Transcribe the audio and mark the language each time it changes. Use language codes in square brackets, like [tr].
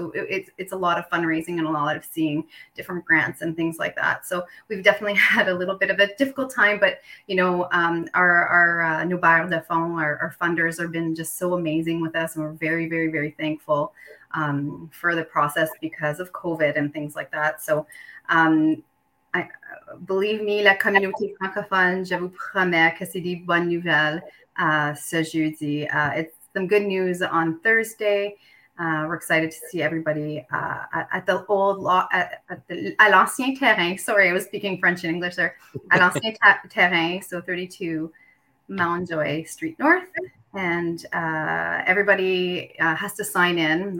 [en] So it's a lot of fundraising and a lot of seeing different grants and things like that. So we've definitely had a little bit of a difficult time, but, you know, our [fr] nos bailleurs de fonds, [en] our funders have been just so amazing with us. And we're very, very, very thankful for the process because of COVID and things like that. So, believe me, [fr] la communauté francophone, je vous promets que c'est des bonnes nouvelles ce jeudi. [en] It's some good news on Thursday. We're excited to see everybody at l'ancien terrain. Sorry, I was speaking French and English there. À l'ancien terrain, so 32 Mountjoy Street North. And everybody has to sign in.